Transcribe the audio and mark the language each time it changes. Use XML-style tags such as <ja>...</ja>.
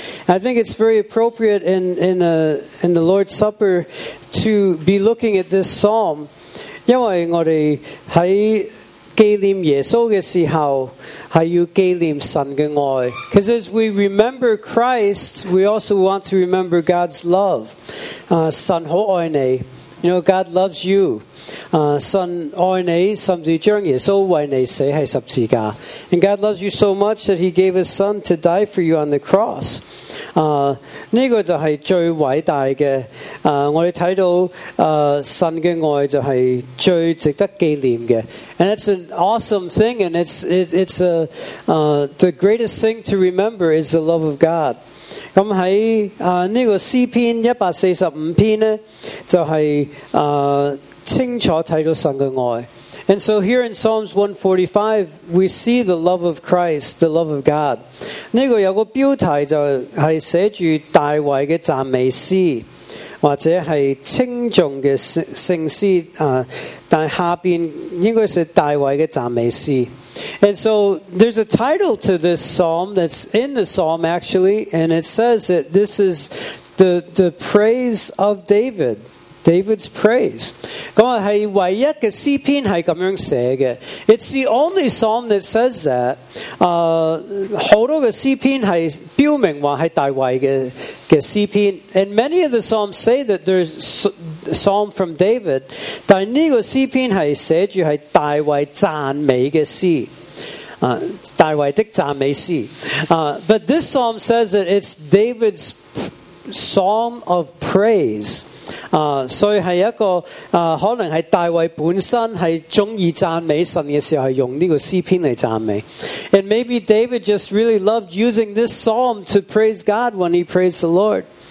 <en>I think it's very appropriate in the Lord's Supper to be looking at this Psalm，</en> <yue>因为我哋喺纪念耶稣的时候是要纪念神的爱。</yue> <en>Because as we remember Christ, we also want to remember God's love.</en> <yue>神好爱你。</yue> <en>You know, God loves you.</en> <yue>神爱你，甚至将耶稣为你死在十字架。</yue> <en>And God loves you so much that he gave his son to die for you on the cross.</en> <yue>这个就是最伟大的。我们看到神的爱就是最值得纪念的。</yue> <en>And that's an awesome thing, and it's the greatest thing to remember is the love of God.</en> <yue>咁喺呢个诗篇145篇咧，就系清楚睇到神嘅爱。</yue> <en>And so here in Psalms 145, we see the love of Christ, the love of God.</en> <yue>呢个有个标题就系写住大卫嘅赞美诗，或者系称颂嘅圣诗但下边应该是大卫嘅赞美诗。</yue> <en>And so there's a title to this psalm that's in the psalm actually, and it says that this is the praise of David, David's praise.</en> <yue>咁系唯一嘅诗篇系咁样写嘅。</yue> <en>It's the only psalm that says that.</en> <yue>好多嘅诗篇系标明话系大卫嘅诗篇</yue> <en>，and many of the psalms say that there's psalm from David.</en> <yue>但呢个诗篇系写住系大卫赞美嘅诗。大卫的赞美诗。</yue> <en>But this psalm says that it's David's psalm of praise.</en> <yue>所以系一个可能系大卫本身系中意赞美神嘅时候，系用呢个诗篇嚟赞美。</yue> <en>And maybe David just really loved using this psalm to praise God when he praised the Lord.</en>